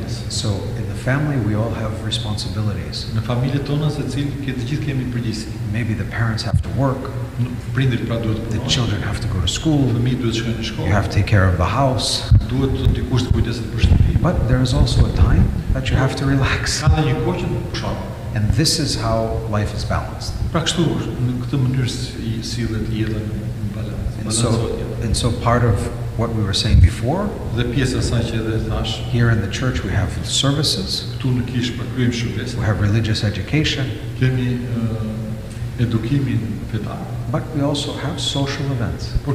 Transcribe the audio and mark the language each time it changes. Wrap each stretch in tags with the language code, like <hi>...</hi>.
<en>So in the family we all have responsibilities.</en> <sq>Në familjet tona secili ke të gjithë kemi përgjegjësi.</sq> <en>Maybe the parents have to work.</en> <sq>Prindrit pra duhet të punojnë.</sq> <en>The children have to go to school.</en> <sq>Fëmijët duhet të shkojnë në shkollë.</sq> <en>You have to take care of the house.</en> <sq>Duhet të dikush të kujdeset për shtëpi.</sq> <en>But there is also a time that you have to relax.</en> <sq>Ka dhe një kohë që nuk shoh.</sq> <en>And this is how life is balanced.</en> <sq>Pra kështu në këtë mënyrë si sillet jeta në balancë.</sq> <en>And so part of what we were saying before, here in the church we have services, we have religious education, but we also have social events.</en>